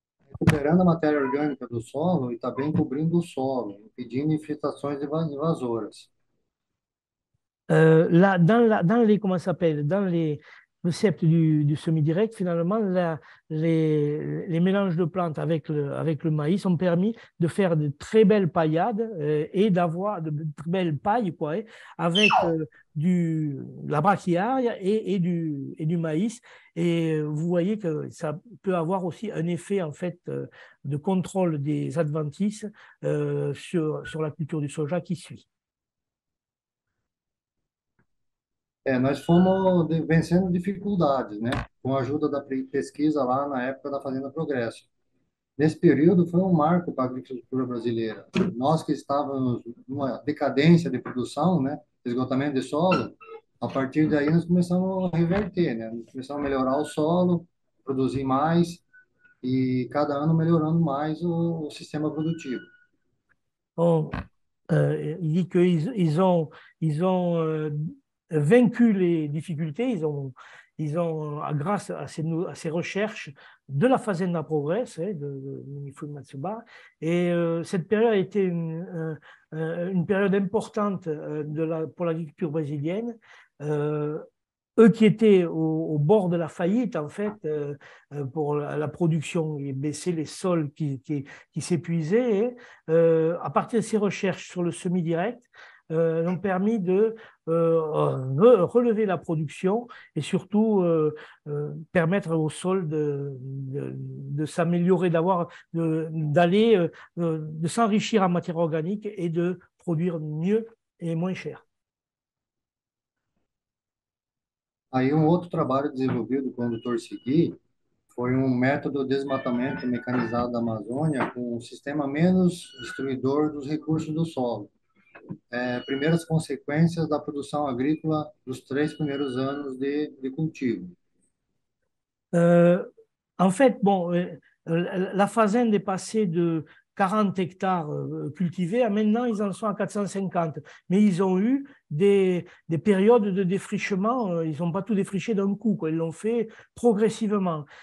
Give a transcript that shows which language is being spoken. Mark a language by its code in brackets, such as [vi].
[pt] Recuperando a matéria orgânica do solo e também cobrindo o solo, impedindo infiltrações invasoras. [fr] Le concept du semi-direct, finalement, les mélanges de plantes avec le maïs ont permis de faire de très belles paillades et d'avoir de très belles pailles quoi, avec la brachiaria et du maïs. Et vous voyez que ça peut avoir aussi un effet en fait, de contrôle des adventices sur la culture du soja qui suit. [pt] É, nós fomos vencendo dificuldades, né? Com a ajuda da pesquisa lá na época da Fazenda Progresso. Nesse período foi um marco para a agricultura brasileira. Nós que estávamos numa decadência de produção, né? Esgotamento de solo, a partir daí nós começamos a reverter, né? Começamos a melhorar o solo, produzir mais e cada ano melhorando mais o sistema produtivo. [fr] Bom, il dit que ils ont vaincu les difficultés, ils ont grâce à ces recherches de la Fazenda Progress, de Minifood Matsuba, et cette période a été une période importante pour l'agriculture brésilienne. Eux qui étaient au bord de la faillite, en fait, pour la production et baisser les sols qui s'épuisaient, à partir de ces recherches sur le semi-direct, ont permis de relever la production et surtout permettre au sol de s'améliorer, de s'enrichir en matière organique et de produire mieux et moins cher. [pt] Aí um outro trabalho desenvolvido com o Dr. Segui foi um método de desmatamento mecanizado da Amazônia com um sistema menos destruidor dos recursos do solo. É, primeiras consequências da produção agrícola dos três primeiros anos de cultivo. [fr] En fait, bon, la fazenda est passée de 40 hectares cultivés à maintenant ils en sont à 450. Mais ils ont eu des périodes de défrichement. Ils n'ont pas tout défriché d'un coup, quoi. Ils l'ont fait progressivement.